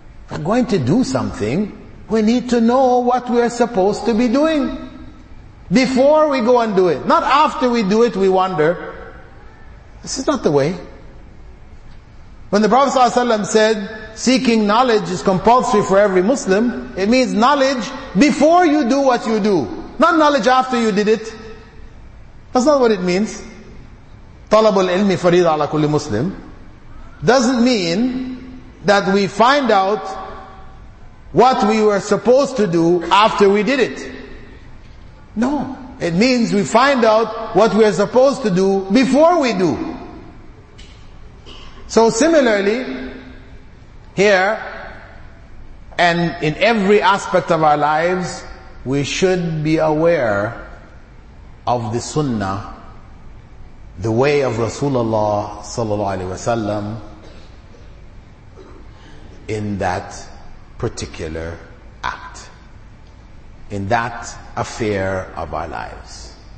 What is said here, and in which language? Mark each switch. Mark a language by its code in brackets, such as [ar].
[en] We're going to do something. We need to know what we're supposed to be doing before we go and do it. Not after we do it, we wonder. This is not the way. When the Prophet ﷺ said, seeking knowledge is compulsory for every Muslim, it means knowledge before you do what you do. Not knowledge after you did it. That's not what it means. [ar] طلب العلم فريضة على كل مسلم. [en] Doesn't mean that we find out what we were supposed to do after we did it. No. It means we find out what we are supposed to do before we do. So similarly, here, and in every aspect of our lives, we should be aware of the sunnah, the way of Rasulullah sallallahu alaihi wasallam, in that particular act, in that affair of our lives.